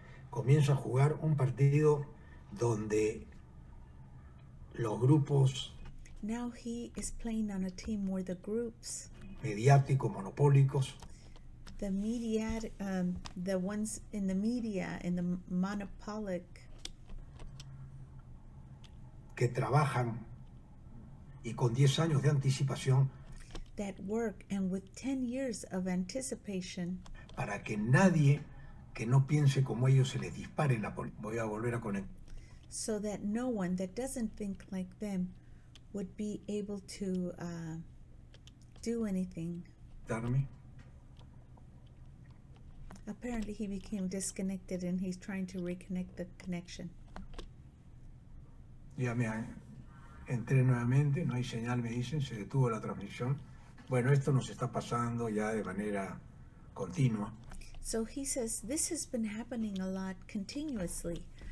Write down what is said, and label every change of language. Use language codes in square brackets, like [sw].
[es] comienza a jugar un partido donde los grupos, [en] now he is playing on a team where the groups, [es] mediático, monopólicos, [en] the media, the ones in the media, in the monopolic, [es] que trabajan y con 10 años de anticipación, [en] that work and with 10 years of anticipation, [es] para que nadie que no piense como ellos se les dispare la voy a volver a conectar, [en] so that no one that doesn't think like them would be able to do anything. [es] Darme. [en] Apparently he became disconnected and he's trying to reconnect the connection. [es] Ya me entré nuevamente, no hay señal, me dicen, se detuvo la transmisión. Bueno, esto nos está pasando ya de manera continua. [en] So he says, this has been happening a lot continuously.